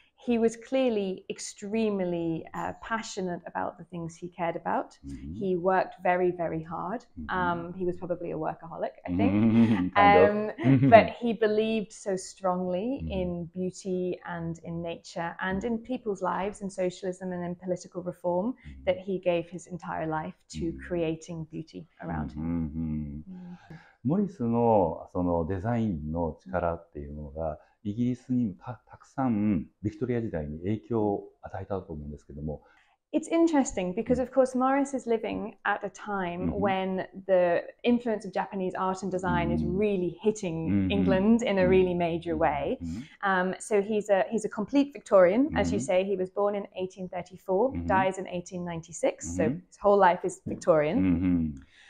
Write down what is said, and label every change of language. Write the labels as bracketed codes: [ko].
[en] He was clearly extremely、passionate about the things he cared about.、Mm. He worked very, very hard.、Mm. He was probably a workaholic, I think. but he believed so strongly、mm. in beauty and in nature and in people's lives and socialism and in political reform、mm. that he gave his entire life to、mm. creating beauty around him.、 Mm-hmm. Mm. [ja] モリスのそのデザインの力っていうのがイギリスに たくさんビクトリア時代に影響を与えたと思うんですけども。 [en] It's interesting because of course Morris is living at a time when the influence of Japanese art and design is really hitting England in a really major way. So he's a complete Victorian, as you say. He was born in 1834, dies in 1896, so his whole life is Victorian.